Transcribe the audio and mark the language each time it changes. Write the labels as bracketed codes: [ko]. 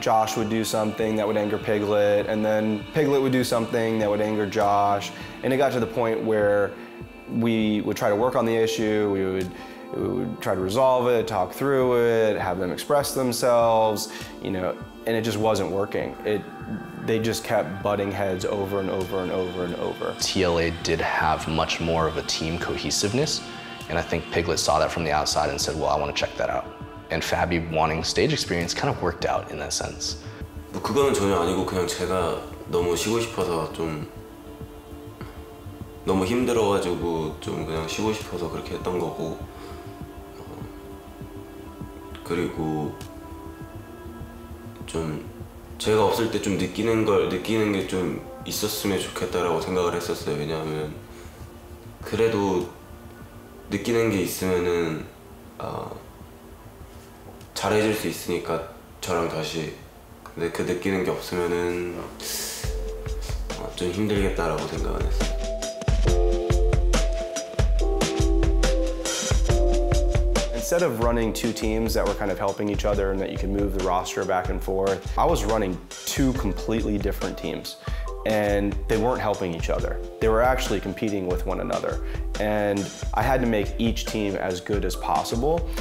[en] Josh would do something that would anger Piglet, and then Piglet would do something that would anger Josh, and it got to the point where we would try to work on the issue, we would try to resolve it, talk through it, have them express themselves, you know, and it just wasn't working. They just kept butting heads over and over and over and over. TLA did have much more of a team cohesiveness, and I think Piglet saw that from the outside and said, well, I want to check that out. And Fabi wanting stage experience kind of worked out in that sense. [ko] 그거는 전혀 아니고 그냥 제가 너무 쉬고 싶어서 좀 너무 힘들어가지고 좀 그냥 쉬고 싶어서 그렇게 했던 거고 그리고 좀 제가 없을 때 좀 느끼는 게 좀 있었으면 좋겠다라고 생각을 했었어요. 왜냐하면 그래도 느끼는 게 있으면은 잘해줄 수 있으니까 저랑 다시 근데 그 느끼는 게 없으면은 좀 힘들겠다라고 생각을 했어요. [en] Instead of running two teams that were kind of helping each other and that you could move the roster back and forth, I was running two completely different teams and they weren't helping each other. They were actually competing with one another and I had to make each team as good as possible.